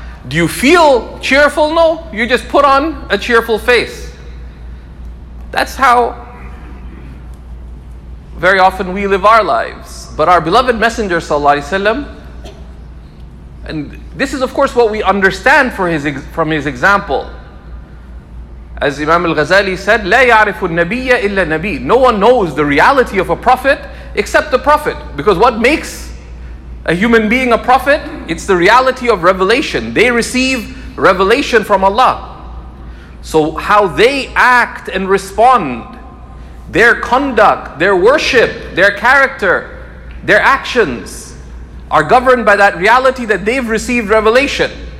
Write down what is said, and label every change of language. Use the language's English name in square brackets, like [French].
[English] Do you feel cheerful? No, you just put on a cheerful face. That's how very often we live our lives. But our beloved Messenger sallallahu alaihi wasallam, and this is of course what we understand from his example. As Imam al-Ghazali said, [Arabic] لا يعرف النبي إلا نبي. [English] No one knows the reality of a prophet except the prophet. Because what makes a human being a prophet? It's the reality of revelation. They receive revelation from Allah. So how they act and respond, their conduct, their worship, their character, their actions are governed by that reality that they've received revelation.